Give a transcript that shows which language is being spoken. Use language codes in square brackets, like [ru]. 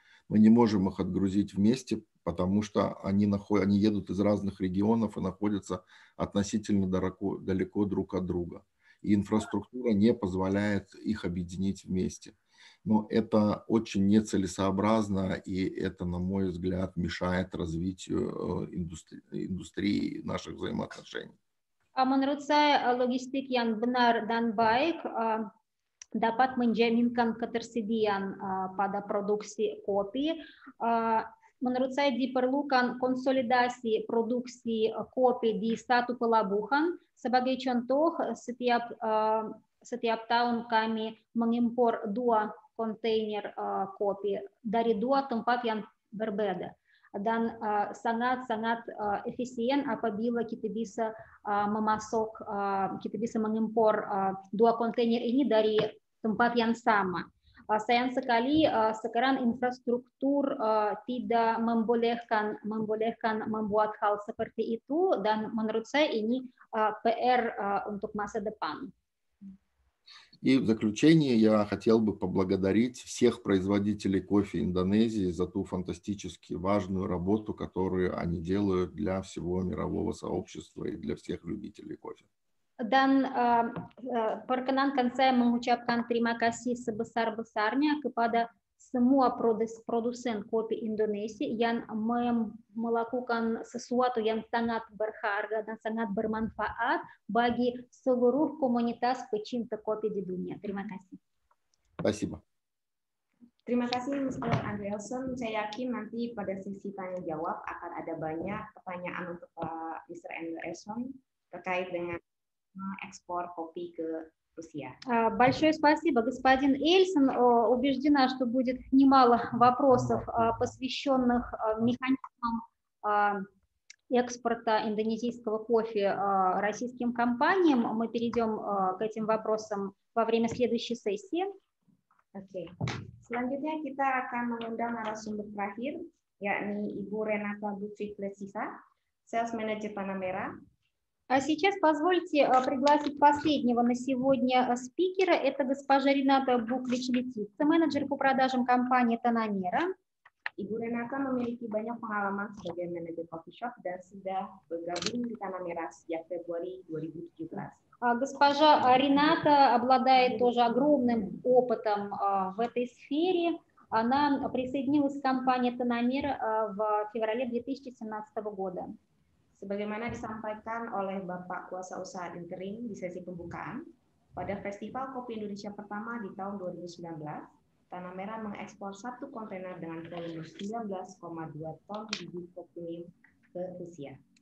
[ru] Мы не можем их отгрузить вместе, потому что они едут из разных регионов и находятся относительно далеко друг от друга. И инфраструктура не позволяет их объединить вместе. Но это очень нецелесообразно, и это, на мой взгляд, мешает развитию индустрии наших взаимоотношений. Амонруцай логистик Ян Бнар Данбайк. [id] Dapat menjaminkan ketersediaan pada produksi kopi. Menurut saya diperlukan konsolidasi produksi kopi di satu pelabuhan. Sebagai contoh, setiap tahun kami mengimpor dua kontainer kopi dari dua tempat yang berbeda. Dan sangat-sangat efisien apabila kita bisa mengimpor dua kontainer ini dari tempat yang sama. Sayang sekali sekarang infrastruktur tidak membolehkan membuat hal seperti itu, dan menurut saya ini PR untuk masa depan. [ru] И в заключение я хотел бы поблагодарить всех производителей кофе Индонезии за ту фантастически важную работу, которую они делают для всего мирового сообщества и для всех любителей кофе. [id] Dan perkenankan saya mengucapkan terima kasih sebesar-besarnya kepada semua produsen kopi Indonesia yang melakukan sesuatu yang sangat berharga dan sangat bermanfaat bagi seluruh komunitas pecinta kopi di dunia. Terima kasih. [ru] Спасибо. [id] Terima kasih, Mr. Andreasen. Saya yakin nanti pada sesi tanya jawab akan ada banyak pertanyaan untuk Mr. Andreasen terkait dengan [ru] экспорт кофе к России. Большое спасибо, господин Эльсон. Убеждена, что будет немало вопросов, посвященных механизмам экспорта индонезийского кофе российским компаниям. Мы перейдем к этим вопросам во время следующей сессии. [id] Окей. Selanjutnya kita akan mengundang narasumber terakhir, yakni Ibu Renata Butri Plesisa, Sales Manager Panamera. [ru] А сейчас позвольте пригласить последнего на сегодня спикера. Это госпожа Рената Буквич-Летица, менеджер по продажам компании Танамера. [id] Ibu Renata memiliki banyak pengalaman sebagai manager coffee shop dan sudah bergabung di Танамера sejak Februari 2017. [ru] Госпожа Рената обладает тоже огромным опытом в этой сфере. Она присоединилась к компании Танамера в феврале 2017 года. [id] Sebagaimana disampaikan oleh Bapak Kuasa Usaha Interim di sesi pembukaan, pada Festival Kopi Indonesia pertama di tahun 2019, Tanamera mengekspor satu kontainer dengan volume 19,2 ton biji kopi ke Rusia.